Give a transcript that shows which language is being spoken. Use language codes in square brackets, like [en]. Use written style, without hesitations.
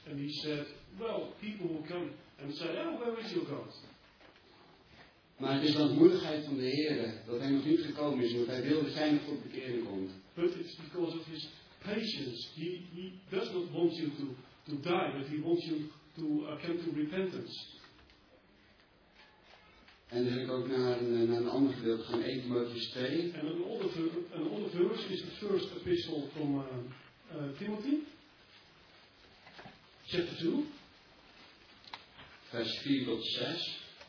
[en] And he said, well, people will come and say, oh, where is your God? [nl] Maar het is dan de moedigheid van de Heer dat hij nog niet gekomen is, want hij wil dat hij nog tot bekering komt. [en] But it's because of his patience. He does not want you to die, but he wants you to come to repentance. [nl] En dan heb ik ook naar een ander gedeelte van 1 Timotheus 2. En een andere verse is de [en] first epistle [nl] van Timothy. [en] Chapter 2. [nl] Vers 4 tot 6.